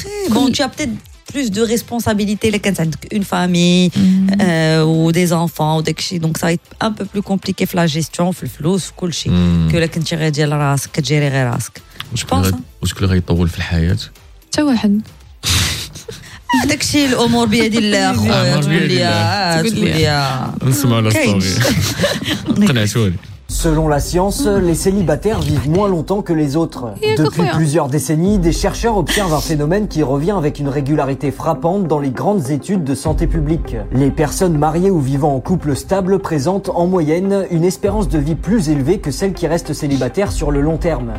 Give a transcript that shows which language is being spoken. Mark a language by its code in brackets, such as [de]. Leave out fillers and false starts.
[fr] bon, tu as peut-être plus de responsabilités là, quand tu as une famille ou des enfants. Ou des... Donc, ça va être un peu plus compliqué la gestion, le flux, tout ça, que là, quand tu as le risque, que tu as le risque. Je pense. Ou est-ce que le risque est la vie? Tout le monde. [ar] داكشي الامور بيد الله خويا تقول لي نسمع لا ستوري قنعتوني. [fr] Selon la science, les célibataires vivent moins longtemps que les autres. Depuis plusieurs décennies, des chercheurs observent un phénomène qui revient avec une régularité frappante dans les grandes études de santé publique. Les personnes mariées ou vivant en couple stable présentent, en moyenne, une espérance de vie plus élevée que celles qui restent célibataires sur le long terme.